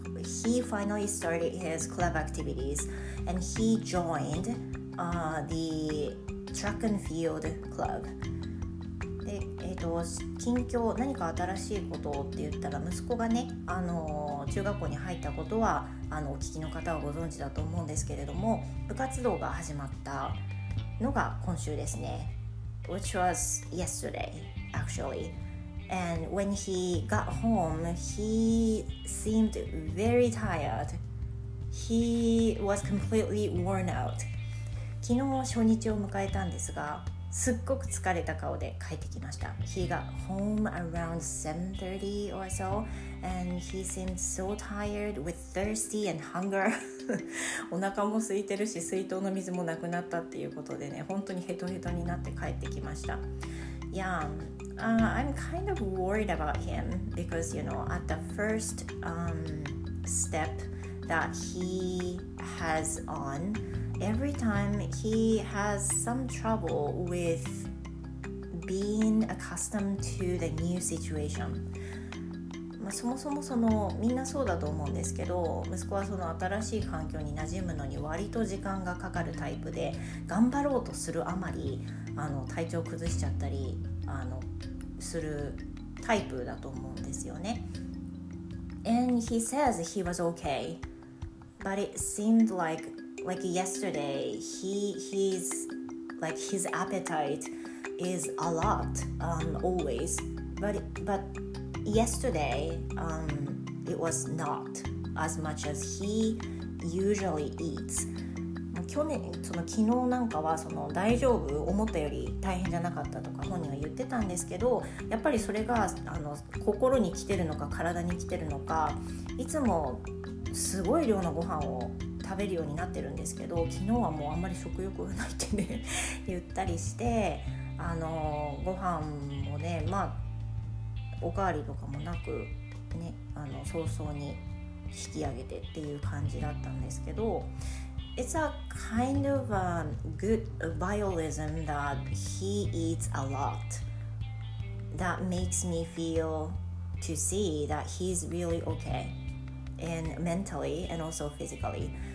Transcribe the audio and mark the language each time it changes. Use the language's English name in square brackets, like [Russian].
[English] He finally started his club activities and he joined the track and field club. [Japanese] で、近況、何か新しいことって言ったら、息子がね、中学校に入ったことはあのお聞きの方はご存知だと思うんですけれども、部活動が始まったのが今週ですね。 [English] Which was yesterday actually. And when he got home, he seemed very tired. He was completely worn out. [Japanese] 昨日初日を迎えたんですが、すっごく疲れた顔で帰ってきました。 [English] He got home around 7:30 or so and he seemed so tired with thirsty and hunger. [Japanese] お腹も空いてるし、水筒の水もなくなったっていうことでね、本当にヘトヘトになって帰ってきました。 [English] Yeah, I'm kind of worried about him because, you know, at the first step that he has onEvery time he has some trouble with being accustomed to the new situation. [Japanese] まあそもそもそのみんなそうだと思うんですけど、息子はその新しい環境に馴染むのに割と時間がかかるタイプで、頑張ろうとするあまりあの体調崩しちゃったりあのするタイプだと思うんですよね。 [English] And he says he was okay, but it seemed like yesterday his appetite is a lot always, but yesterday it was not as much as he usually eats. [Japanese] 去年その昨日なんかはその大丈夫、思ったより大変じゃなかったとか本人は言ってたんですけど、やっぱりそれがあの心に来てるのか体に来てるのか、いつもすごい量のご飯を食べるようになってるんですけど、昨日はもうあんまり食欲がないってね言ったりして、あのご飯もね、まあおかわりとかもなくね、あの早々に引き上げてっていう感じだったんですけど、 [English] It's a kind of a good violism that he eats a lot that makes me feel to see that he's really okay and mentally and also physically。